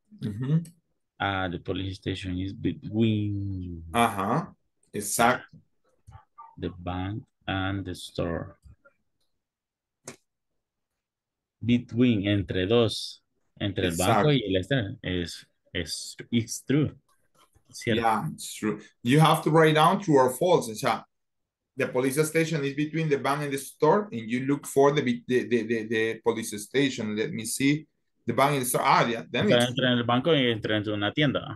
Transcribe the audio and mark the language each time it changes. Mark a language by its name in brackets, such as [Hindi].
[English] The police station is between. [Spanish] Ajá, exacto. [English] The bank and the store. [Spanish] Between, entre dos, entre exacto. El banco y el store. [English] It's true. [Spanish] ¿Cierto? [English] Yeah, it's true. You have to write down true or false. O sea, the police station is between the bank and the store, and you look for the police station. Let me see. The bank is [Spanish] entre en el banco y entre en una tienda.